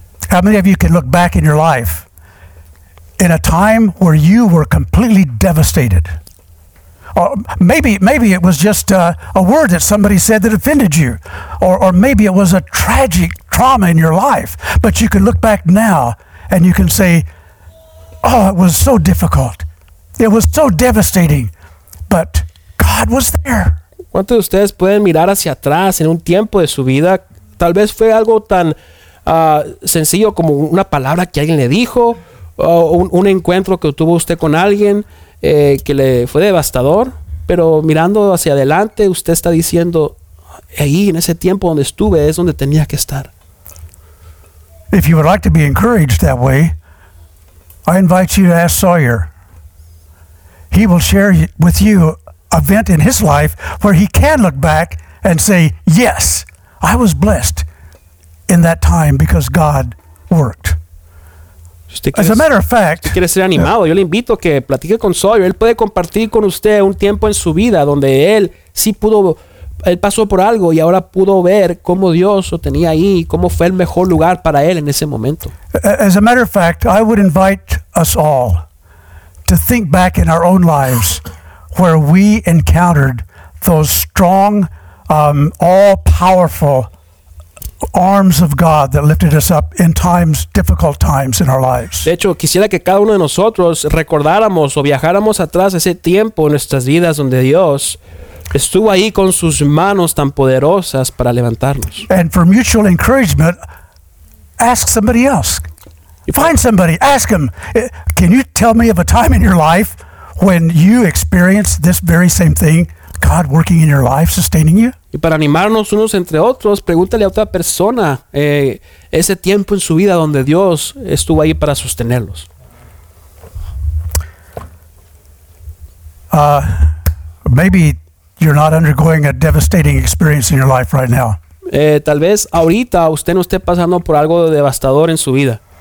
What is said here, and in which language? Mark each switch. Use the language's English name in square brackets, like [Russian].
[English] How many of you can look back in your life in a time where you were completely devastated? Or maybe it was just a word that somebody said that offended you, or maybe it was a tragic trauma in your life. But you can look back now and you can say, "Oh, it was so difficult. It was so devastating, but God was there. [Spanish] ¿Cuántos de ustedes pueden mirar hacia atrás en un tiempo de su vida? Tal vez fue algo tan sencillo como una palabra que alguien le dijo, o un encuentro que tuvo usted con alguien que le fue devastador. Pero mirando hacia adelante, usted está diciendo, ahí en ese tiempo donde estuve es donde tenía que estar. [English] If you would like to be encouraged that way, I invite you to ask Sawyer. He will share with you an event in his life where he can look back and say, yes, I was blessed in that time because God worked. As a matter of fact, [Spanish] quiere ser animado, yo le invito a que platique con Sawyer. Él puede compartir con usted un tiempo en su vida donde él sí pudo, él pasó por algo y ahora pudo ver cómo Dios lo tenía ahí, cómo fue el mejor lugar para él en ese momento. [English] As a matter of fact, I would invite us all to think back in our own lives where we encountered those strong, all-powerful arms of God that lifted us up in times, difficult times in our lives. [Spanish] De hecho, quisiera que cada uno de nosotros recordáramos o viajáramos atrás ese tiempo en nuestras vidas donde Dios estuvo ahí con sus manos tan poderosas para levantarnos. [English] And for mutual encouragement, ask somebody else. Find somebody, ask them, can you tell me of a time in your life when you experienced this very same thing, God working in your life, sustaining you? [Spanish] Y para animarnos unos entre otros, pregúntale a otra persona ese tiempo en su vida donde Dios estuvo ahí para sostenerlos. [English] Maybe you're not undergoing a devastating experience in your life right now. [Spanish] Tal vez ahorita usted no esté pasando por algo devastador en su vida.